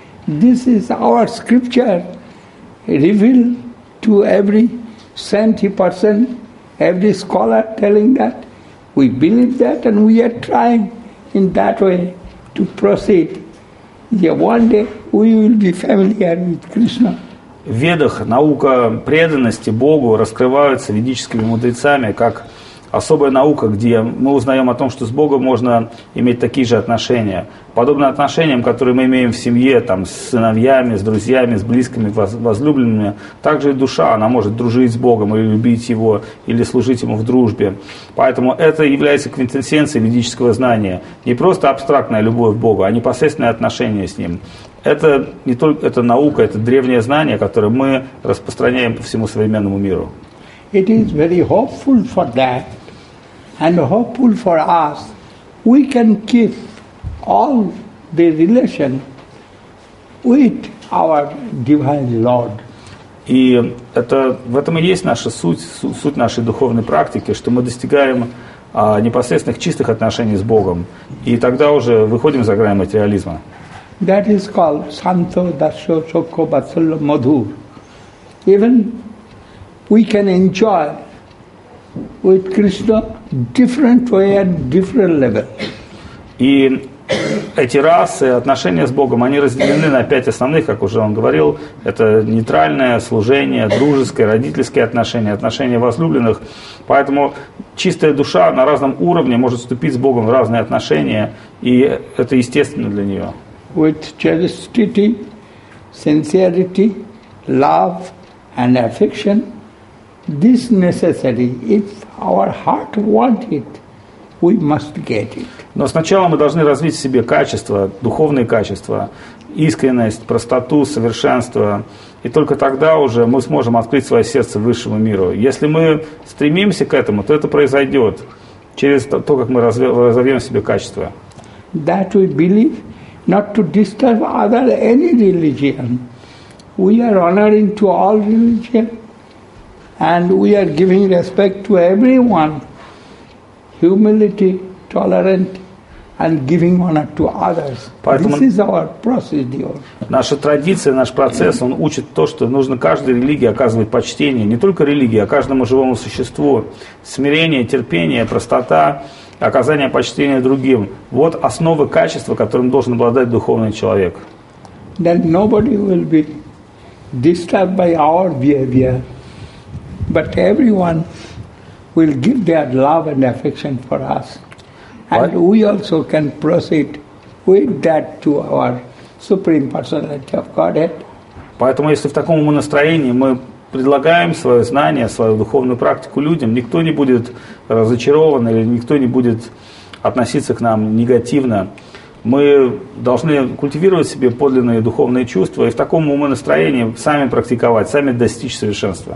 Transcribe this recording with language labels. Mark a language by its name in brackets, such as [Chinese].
[English] This is our scripture revealed to every saintly person, every scholar telling that we believe that and we are trying in that way to proceed. Yeah, one day we will be familiar with Krishna. [Russian] В ведах наука преданности Богу раскрывается ведическими мудрецами как особая наука, где мы узнаем о том, что с Богом можно иметь такие же отношения. Подобно отношениям, которые мы имеем в семье, там, с сыновьями, с друзьями, с близкими, возлюбленными, также и душа, она может дружить с Богом или любить Его, или служить Ему в дружбе. Поэтому это является квинтэссенцией ведического знания. Не просто абстрактная любовь к Богу, а непосредственное отношение с Ним. Это не только это наука, это древнее знание, которое мы распространяем по всему современному миру. [English] It is very hopeful for that, and hopeful for us. We can keep all the relation with our Divine Lord. [Russian] И это, в этом и есть наша суть, суть нашей духовной практики, что мы достигаем непосредственных чистых отношений с Богом, и тогда уже выходим за грани материализма. [English] That is called Santo Dasho Chokho Batsalo Madhur. Even we can enjoy with Krishna different way and different level. [Russian] И эти расы, отношения с Богом, они разделены на пять основных, как уже он говорил. Это нейтральное служение, дружеское, родительские отношения, отношения возлюбленных. Поэтому чистая душа на разном уровне может вступить с Богом в разные отношения, и это естественно для нее. [English] With chastity, sincerity, love, and affection, this necessary. If our heart want it, we must get it. [Russian] Но сначала мы должны развить в себе качества, духовные качества, искренность, простоту, совершенство, и только тогда уже мы сможем открыть свое сердце высшему миру. Если мы стремимся к этому, то это произойдет через то, как мы разовьем в себе качества. [English] That we believe. Not to disturb other any religion. We are honoring to all religion and we are giving respect to everyone. Humility, tolerant and giving honor to others. [Russian] Поэтому [English] this is our procedure. [Russian] Наша традиция, наш процесс, он учит то, что нужно каждой религии оказывать почтение, не только религии, а каждому живому существу. Смирение, терпение, простота. Оказание почтения другим. Вот основы качества, которым должен обладать духовный человек. [English] Then nobody will be disturbed by our behavior, but everyone will give their love and affection for us. And we also can proceed with that to our Supreme Personality of Godhead. [Russian] Поэтому, если в таком настроении мы предлагаем свое знание, свою духовную практику людям, никто не будет разочарован или никто не будет относиться к нам негативно. мы должны культивировать в себе подлинные духовные чувства и в таком умонастроении сами практиковать, сами достичь совершенства.